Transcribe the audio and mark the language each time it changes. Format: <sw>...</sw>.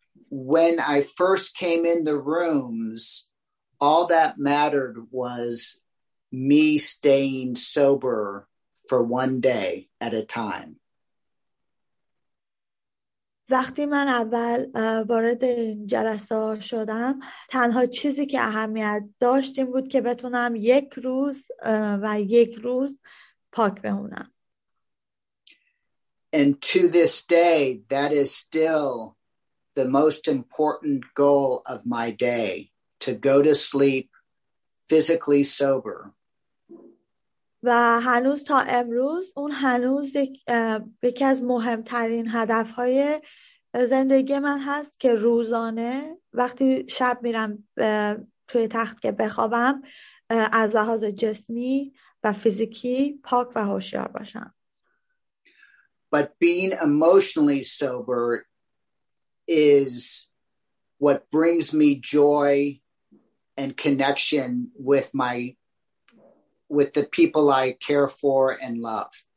<en>When I first came in the rooms, all that mattered was me staying sober for one day at a time.</en> <fa>وقتی من اول وارد این جلسه شدم، تنها چیزی که اهمیت داشت این بود که بتونم یک روز و یک روز پاک بمونم.</fa> <en>And to this day, that is still the most important goal of my day, to go to sleep physically sober.</en> <fa>و هنوز تا امروز اون هنوز یکی از مهمترین هدفهای زندگی من هست که روزانه وقتی شب میرم توی تخت که بخوابم از لحاظ جسمی و فیزیکی پاک و هوشیار باشم.</fa> <en>But being emotionally sober is what brings me joy and connection with my with the people I care for and love.</en>